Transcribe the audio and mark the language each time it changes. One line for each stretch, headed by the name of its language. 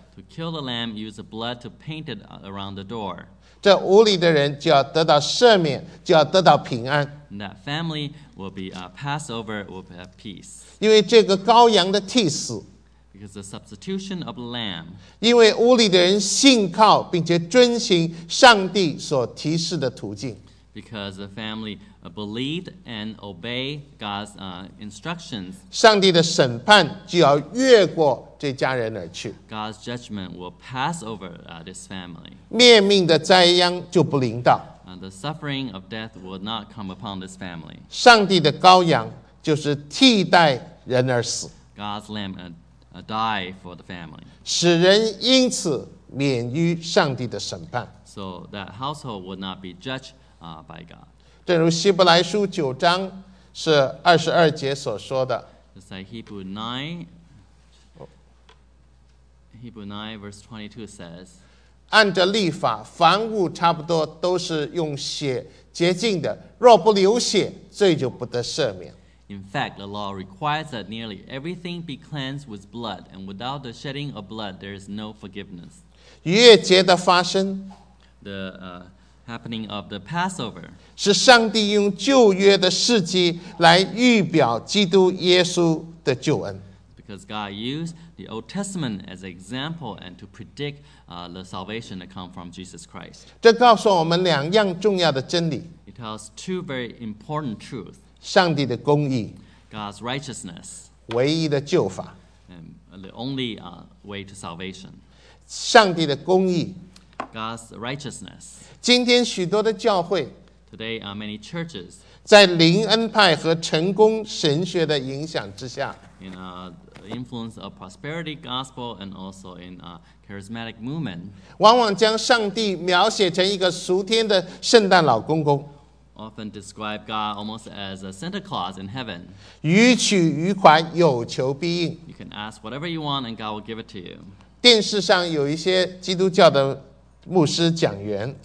English: to kill the lamb, use the blood to paint it around the door.
Chinese: 这屋里的人就要得到赦免，就要得到平安。
English: That family will be Passover will have peace.
Chinese: 因为这个羔羊的替死
English: because the substitution of the lamb.
Chinese: 因为屋里的人信靠并且遵循上帝所提示的途径
English: because the family believed and obeyed God's instructions.
Chinese: 上帝的审判就要越过这家人而去
English: God's judgment will pass over this family.
Chinese: 灭命的灾殃就不临到。
English: The suffering of death will not come upon this family.
Chinese: 上帝的羔羊就是替代人而死。
English: God's lamb died for the family.
Chinese: 使人因此免于上帝的审判。
English: So that household would not be judged by God.
Chinese: 正如希伯来书九章是二十二节所说的。
English: It's like Hebrew 9 verse 22 says,
Chinese: 按着律法，凡物差不多都是用血洁净的，若不流血，罪就不得赦免。
English: In fact, the law requires that nearly everything be cleansed with blood, and without the shedding of blood, there is no forgiveness.
Chinese: 逾越节的发生。
English: The happening of the Passover
Chinese: 是上帝用旧约的事迹来预表基督耶稣的救恩。
English: Because God used the Old Testament as an example and to predict the salvation that come from Jesus Christ.
Chinese: 这告诉我们两样重要的真理。
English: It tells two very important truths.
Chinese: 上帝的公义。
English: God's righteousness.
Chinese: 唯一的救法。
English: And the only way to salvation.
Chinese: 上帝的公义。
English: God's righteousness.
Chinese: 今天许多的教会
English: Today, many churches
Chinese: 在灵恩派和成功神学的影响之下
English: In the influence of prosperity gospel and also in charismatic movement
Chinese: 往往将上帝描写成一个属天的圣诞老公公
English: Often describe God almost as a Santa Claus in heaven
Chinese: 予取予还有求必应
English: You can ask whatever you want and God will give it to you
Chinese: 电视上有一些基督教的牧师讲员